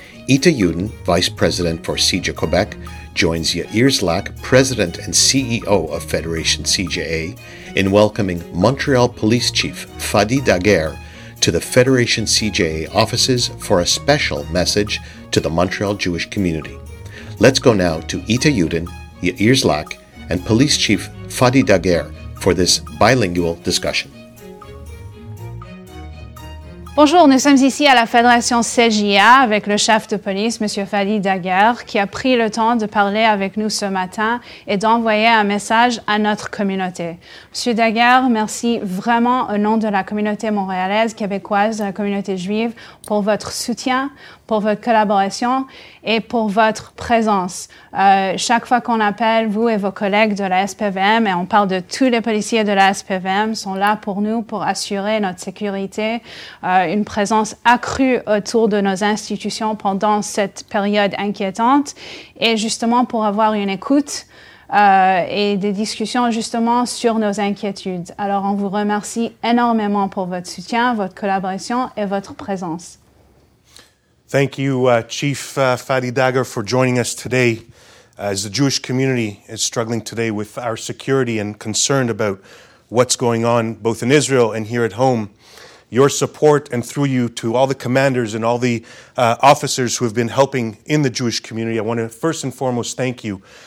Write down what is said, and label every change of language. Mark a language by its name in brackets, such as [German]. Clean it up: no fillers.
[English] Eta Yudin, Vice President for CIJA Quebec, joins Yair, Szlak, President and CEO of Federation CJA, in welcoming Montreal Police Chief Fady Dagher to the Federation CJA offices for a special message to the Montreal Jewish community. Let's go now to Eta Yudin, Yair, Szlak, and Police Chief Fady Dagher for this bilingual discussion. [French] Bonjour, nous sommes ici à la Fédération CJA avec le chef de police, M. Fady Dagher, qui a pris le temps de parler avec nous ce matin et d'envoyer un message à notre communauté. M. Dagher, merci vraiment au nom de la communauté montréalaise, québécoise, de la communauté juive, pour votre soutien, pour votre collaboration et pour votre présence. Chaque fois qu'on appelle, vous et vos collègues de la SPVM, et on parle de tous les policiers de la SPVM, sont là pour nous, pour assurer notre sécurité, une présence accrue autour de nos institutions pendant cette période inquiétante, et justement pour avoir une écoute et des discussions justement sur nos inquiétudes. Alors on vous remercie énormément pour votre soutien, votre collaboration et votre présence. [English] Thank you, Chief Fady Dagher, for joining us today. As the Jewish community is struggling today with our security and concerned about what's going on both in Israel and here at home, your support and through you to all the commanders and all the officers who have been helping in the Jewish community, I want to first and foremost thank you.